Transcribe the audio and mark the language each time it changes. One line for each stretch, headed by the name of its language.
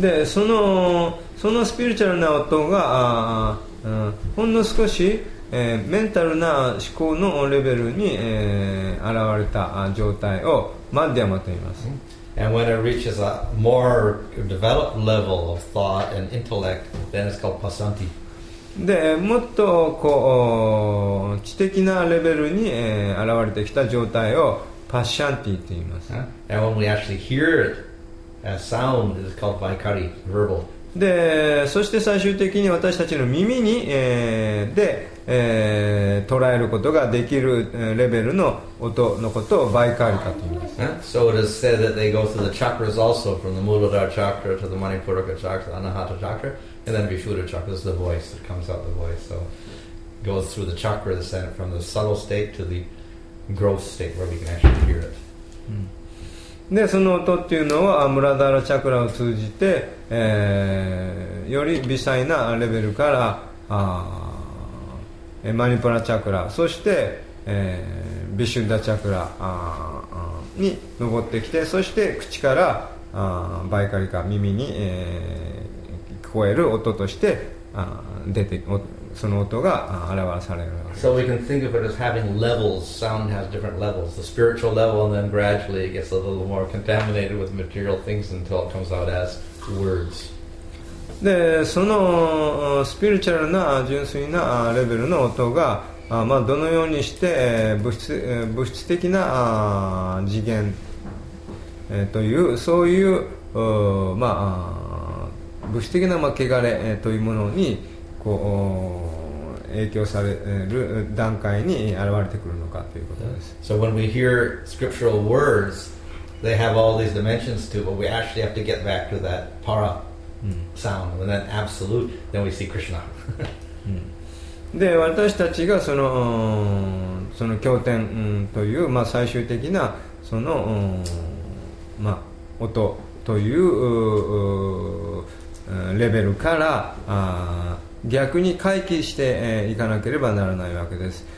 Japanese: で、そのスピリチュアルな音がほんの少しメンタルな思考のレベルに現れた状態をマッディアマと言います。
English: And when it reaches a more developed level of thought and intellect, then it's called pasanti.
Japanese: で、もっとこう知的なレベルに現れてきた状態をパシャンティと言います。
English: And when we actually hear it as sound, it's called vaikari, verbal.
Japanese: で、そして最終的に私たちの耳に、で、捉えることができるレベルの音のことをバイカリカと言います。
English: So it is said that they go through the chakras also, from the Muladhara chakra to the Manipuraka chakra, Anahata chakra, and then Vishuddha chakra. This is the voice that comes out the voice. So goes through the chakras and from the subtle state to the gross state where we can actually hear it.
Japanese: で、その音っていうのはムラダラチャクラを通じて、より微細なレベルからマニプラチャクラ、そして、ビシュッダチャクラに上ってきて、そして口からバイカリカ、耳に、聞こえる音として出て、その音が表されるわけです。
English: So we can think of it as having levels. Sound has different levels. The spiritual level, and then gradually it gets a little more contaminated with material things until it comes out as words.
Japanese: で、そのスピリチュアルな純粋なレベルの音が、まあ、どのようにして物質的な次元という、そういう、まあ、物質的な汚れというものにこう影響される段階に現れてくるのかということです。
English: So when we hear scriptural words, they have all these dimensions too, but we actually have to get back to that para sound, and then absolute, then we see Krishna.
Japanese: で、私たちがその経典という、まあ、最終的なその、まあ、音というレベルから逆に回帰していかなければならないわけです。